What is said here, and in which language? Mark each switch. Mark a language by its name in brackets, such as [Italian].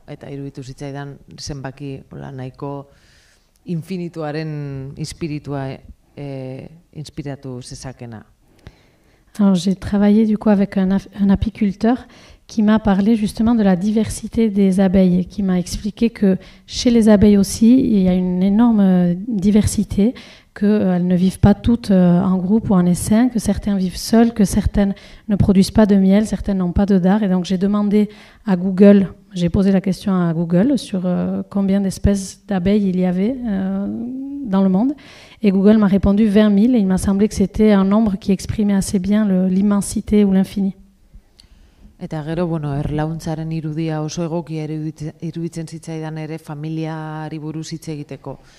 [Basque] Eta iruditu zitzaidan zenbaki hola, nahiko infinituaren inspiritua inspiratu zezakena. [French] Alors, j'ai travaillé du coup avec un apiculteur qui m'a parlé justement de la diversité des abeilles, qui m'a expliqué que chez les abeilles aussi, il y a une énorme diversité, qu'elles ne vivent pas toutes en groupe ou en essaim, que certaines vivent seules, que certaines ne produisent pas de miel, certaines n'ont pas de dard. Et donc j'ai demandé à Google, j'ai posé la question à Google sur combien d'espèces d'abeilles il y avait dans le monde. Et Google m'a répondu 20 000 et il m'a semblé que c'était un nombre qui exprimait assez bien l'immensité ou l'infini. [Basque] Eta gero, bueno, erlauntzaren irudia oso egokia iruditzen zitzaidan ere familiari buruz hitz egiteko.